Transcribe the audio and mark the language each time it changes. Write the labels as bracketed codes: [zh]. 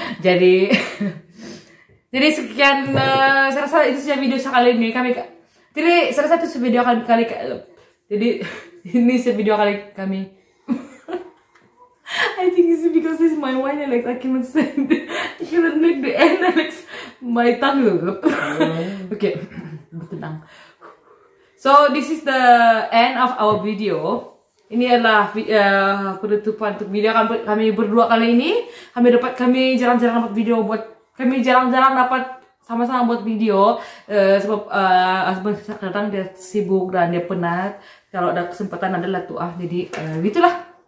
[ms] Jadi sekian, saya rasa itu saja video sekali ini. Jadi saya rasa itu video kali jadi ini video kali kami. [en] I think it's because it's my wine, Alex. I cannot say, I cannot make the end, Alex. My tongue. Okay, [ms] tenang. [en] So this is the end of our video. [ms] Ini adalah penutupan untuk video kami berdua kali ini. Kami jarang-jarang dapat video buat. Kami jarang-jarang dapat sama-sama buat video sebab Azman sekarang dia sibuk dan dia penat. Kalau ada kesempatan adalah tuh ah, jadi gitulah.